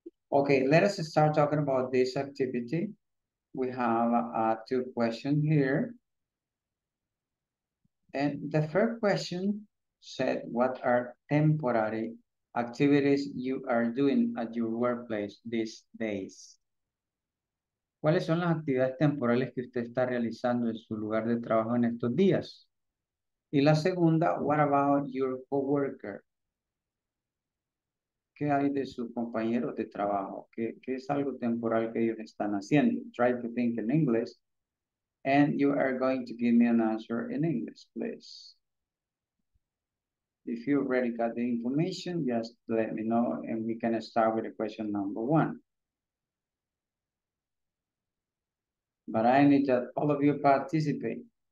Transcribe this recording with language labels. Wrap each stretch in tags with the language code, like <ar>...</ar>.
<en>Ok, let us start talking about this activity. We have two questions here. And the first question said, what are temporary activities you are doing at your workplace these days?</en> <es>¿Cuáles son las actividades temporales que usted está realizando en su lugar de trabajo en estos días? Y la segunda,</es> <en>what about your coworker?</en> <es>¿Qué hay de sus compañeros de trabajo? ¿Qué es algo temporal que ellos están haciendo?</es> <en>Try to think in English. And you are going to give me an answer in English, please. If you already got the information, just let me know and we can start with question number one. But I need that all of you participate.</en>